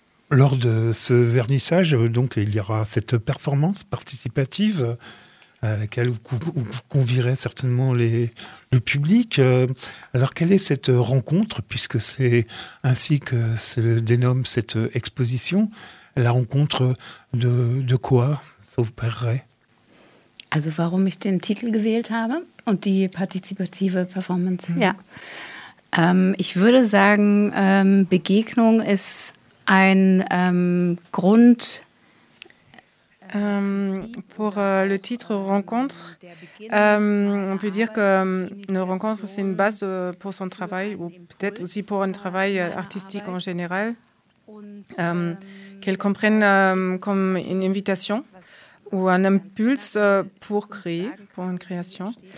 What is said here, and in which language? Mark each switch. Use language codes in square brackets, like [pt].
[fr] Lors de ce vernissage, donc, il y aura cette performance participative à laquelle vous convierez certainement le public. Alors, quelle est cette rencontre, puisque c'est ainsi que se dénomme cette exposition, la rencontre de quoi s'opérerait ? [de] Also, warum ich den Titel gewählt habe und die participative Performance. Ja. Ich würde sagen, Begegnung ist ein Grund. [fr] Pour le titre Rencontre, on peut dire que une rencontre, c'est une base pour son travail ou peut-être aussi pour un travail artistique en général, qu'elle comprenne comme une invitation ou un impulse pour créer, pour une création.